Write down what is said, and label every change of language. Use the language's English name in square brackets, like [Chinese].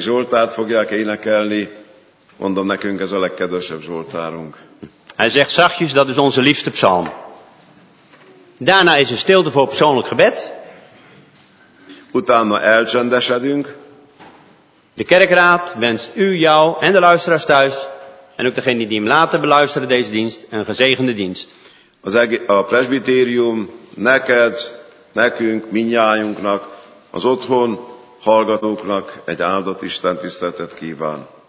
[Hungarian] Zsoltárt fogják énekelni. Mondom, nekünk ez a legkedvesebb Zsoltárunk. [Dutch] Hij zegt zachtjes, dat is onze liefste psalm. Daarna is er stilte voor persoonlijk gebed. [Hungarian] Utána elcsendesedünk. [Dutch] De kerkraad wenst u, jou en de luisteraars thuis, en ook degene die hem later beluisteren deze dienst, een gezegende dienst. [Hungarian] A presbyterium neked, nekünk, mindnyájunknak, az otthon hallgatóknak egy áldott Isten tiszteletet kíván.